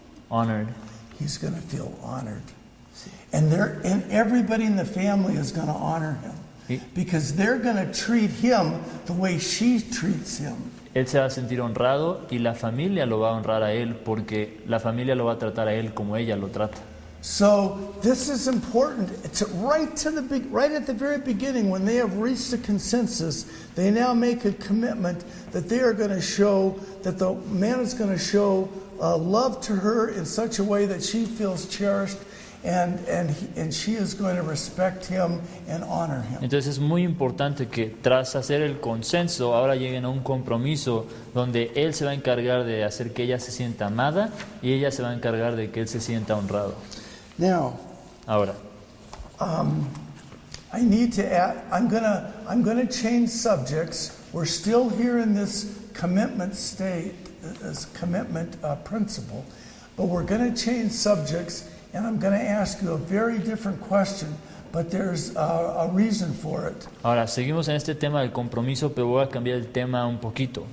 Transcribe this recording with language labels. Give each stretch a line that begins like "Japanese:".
English: Honored. He's going to feel honored. And everybody in the family is going to honor him. Because they're going to treat him the way she treats him.
Spanish: Él se va a sentir honrado y la familia lo va a honrar a él porque la familia lo va a tratar a él como ella lo trata.
English: So this is important. It's right at the very beginning when they have reached a consensus, they now make a commitment that they are going to show that the man is going to show love to her in such a way that she feels cherished. And she is going to respect him and honor him.
Spanish: Entonces es muy importante que tras hacer el consenso, ahora lleguen a un compromiso donde él se va a encargar de hacer que ella se sienta amada y ella se va a encargar de que él se sienta honrado.
English: Now,
Spanish: ahora,
English: I need to add. I'm gonna change subjects. We're still here in this commitment state, this commitment principle, but we're gonna change subjects. And I'm going to ask you a very different question, but there's a reason for it.
Spanish: Ahora, seguimos en este tema del compromiso, pero voy a cambiar el tema un poquito.